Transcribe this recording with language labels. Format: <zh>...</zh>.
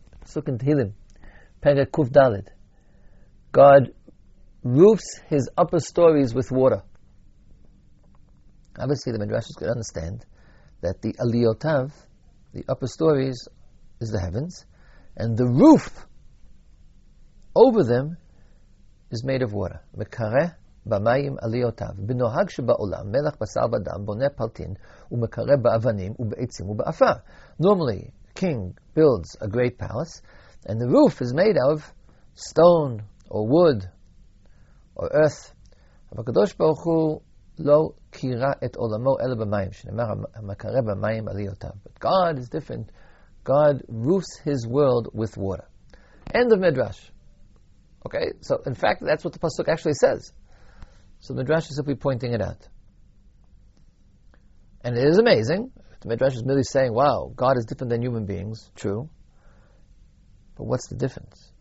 <en>Pasuk in Tehillim, Perek Kuf Dalet. God roofs his upper stories with water. Obviously, the midrashers could understand that the aliyotav, the upper stories, is the heavens, and the roof over them is made of water. Mekareh.</en> <he>במים עליותיו, בנוהג שבעולם, מלך בשר ודם, בונה פלטין, ומקרה באבנים, ובעצים, ובאפה.</he> <en>Normally, a king builds a great palace, and the roof is made of stone, or wood, or earth.</en> <he>אבל הקדוש ברוך הוא לא קירה את עולמו אלא במים, שנאמר, המקרה במים עליותיו.</he> <en>But God is different. God roofs his world with water. End of Midrash. Okay, so in fact, that's what the Pasuk actually says. So the Midrash is simply pointing it out. And it is amazing. The Midrash is merely saying, wow, God is different than human beings. True. But what's the difference?</en>